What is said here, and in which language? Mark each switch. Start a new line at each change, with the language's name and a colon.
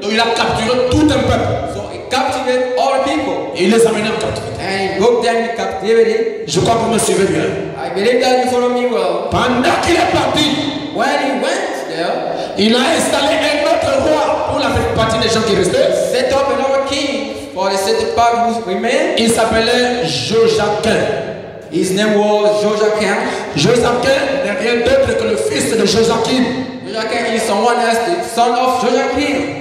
French: Donc il a capturé tout un peuple.
English: So he captured all people.
French: Et il les a menés en captivité.
English: And he took them in captivity.
French: Je crois que vous me suivez bien.
English: I believe that you follow me well.
French: Pendant qu'il est parti,
English: when he went there,
French: il a installé un autre roi pour la partie des gens qui restaient.
English: Set up another king for the certain part who remained.
French: Il s'appelait Joachim.
English: His name was Joachim.
French: Joachim n'est rien d'autre que le fils de Joachim.
English: Joachim is someone else, the son of Joachim.